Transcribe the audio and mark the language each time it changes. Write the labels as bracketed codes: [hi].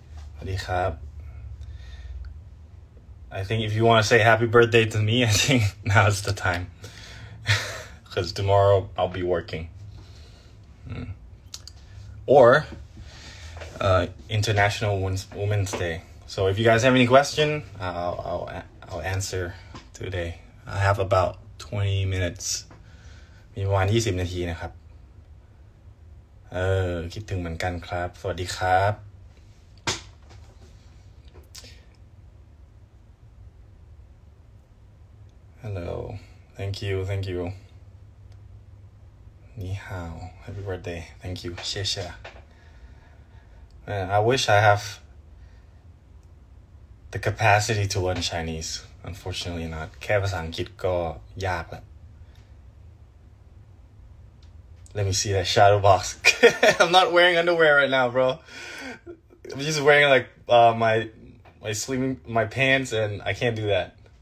[th] สวัสดีครับ [en] I think if you want to say happy birthday to me I think now is the time because tomorrow I'll be working orInternational Women's Day. So if you guys have any question, I'll answer today. I have about 20 minutes. [th] มีประมาณ20นาทีนะครับเออคิดถึงเหมือนกันครับสวัสดีครับฮัลโหล [en] thank you [th] นี่ฮาว [en] happy birthday thank you [th] เชีย [en] I wish I have the capacity to learn Chinese. Unfortunately not. [th] แค่ภาษาอังกฤษก็ยากแล้ว [en] Let me see that shadow box. I'm not wearing underwear right now, bro. I'm just wearing like my sleeping, my pants, and I can't do that.